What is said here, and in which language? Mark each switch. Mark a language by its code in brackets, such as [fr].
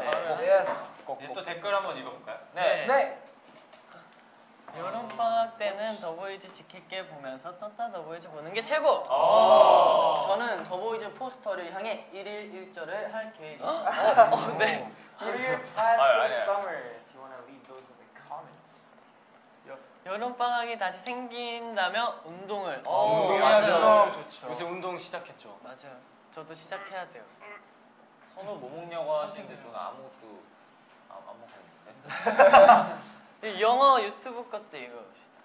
[ko] 예스. 네. 꼭. Yes. 꼭. 이제 또 댓글 한번 읽어볼까요? 네. 네. 여름방학 때는 더보이즈 지킬게 보면서 떴다 더보이즈 보는 게 최고! 저는 더보이즈 포스터를 향해 1일 1절을 할 계획입니다. 네. 1일 파트 [en] for summer. If you wanna leave those in the comments. [ko] 여름방학이 다시 생긴다면 운동을. 운동하죠. 좋죠. 요새 운동 시작했죠. 맞아요. 저도 시작해야 돼요. 선우 뭐 먹냐고 하시는데 저는 아무것도 안 먹었는데. 영어 유튜브 것도 읽어봅시다.